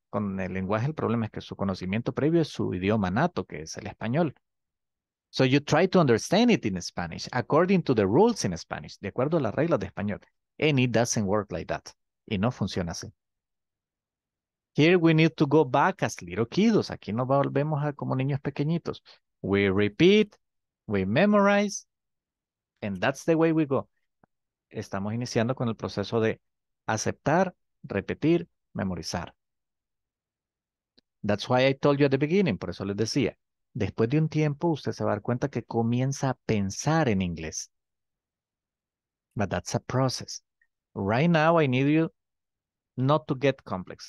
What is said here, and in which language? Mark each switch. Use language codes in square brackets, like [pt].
[es] Con el lenguaje, el problema es que su conocimiento previo es su idioma nato, que es el español. [en] So you try to understand it in Spanish, according to the rules in Spanish, [es] de acuerdo a las reglas de español. [en] And it doesn't work like that. [es] Y no funciona así. [en] Here we need to go back as little kids. [es] Aquí nos volvemos a como niños pequeñitos. [en] We repeat, we memorize, and that's the way we go. [es] Estamos iniciando con el proceso de aceptar, repetir, memorizar. [en] That's why I told you at the beginning, [es] por eso les decía. Después de un tiempo, usted se va a dar cuenta que comienza a pensar en inglés. [en] But that's a process. Right now, I need you not to get complex.